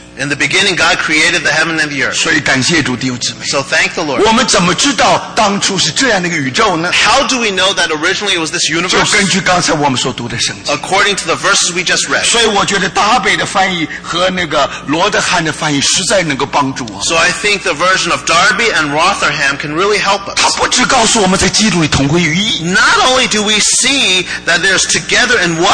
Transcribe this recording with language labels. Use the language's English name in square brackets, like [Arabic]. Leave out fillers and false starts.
[English] In the beginning, God created the heaven and the earth. [Chinese] 所以感谢主弟兄姊妹。 [English] So thank the Lord. [Chinese] 我们怎么知道当初是这样的一个宇宙呢？ [English] How do we know that originally it was this universe? [Chinese] 就根据刚才我们所读的圣经。 [English] According to the verses we just read. [Chinese] 所以我觉得达北的翻译和那个罗德汉的翻译实在能够帮助我。 [English] So I think the version of Darby and Rotherham can really help us. [Chinese] 他不只告诉我们在基督里同归于义。 [English] Not only do we see that there's together in one.